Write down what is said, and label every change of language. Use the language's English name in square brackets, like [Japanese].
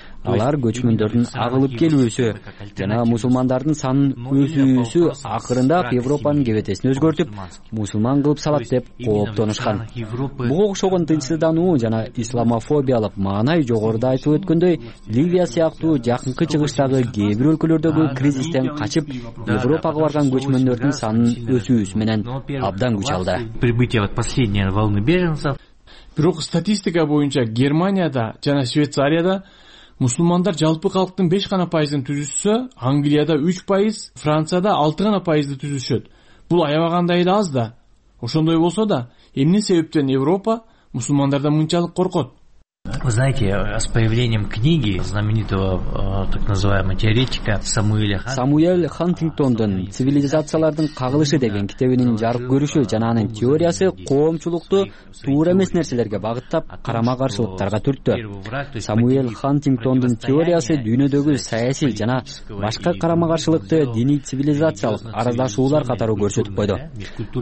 [Kyrgyz] Алар көчмөндөрдүн агылып келүүсү жана мусулмандардын санын өсүүсү акырындап Европанын кебетесин өзгөртүп, мусулман кылып салат деп кооптонушкан. Буга окшогон тынчсыздануу жана исламофобиялык маанай жогоруда айтып өткөндөй, Ливия сыяктуу жакынкы чыгыштагы кээ бир өлкөлөрдөгү кризистен качып Европага барган көчмөндөрдүн санын өсүүсү менен абдан күч алды. [Russian] Прибытие от последней волны беженцев. [Kyrgyz] Бирок статистика боюнча Германияда жана Швейцарияда мусулмандар жалпы калктын 5% түзүшсө, Англияда 3%, Францияда 6% түзүшөт. Бул аябагандай эле аз да. Ошондой болсо да, эмне себептен Европа мусулмандардан мынчалык коркот? [Russian] Вы знаете, с появлением книги знаменитого так называемого теоретика Самуэля [Kyrgyz] Хантингтондон «Цивилизациялардын кагылышы» деген китебинин жарык көрүшү жана анын теориясы коомчулукту туура эмес нерселерге багыттап, карама-каршылыктарга түрттү. Самуэль Хантингтондун теориясы дүйнөдөгү саясий жана башка карама-каршылыкты диний цивилизациялык араздашуулар катары көрсөтүп койду.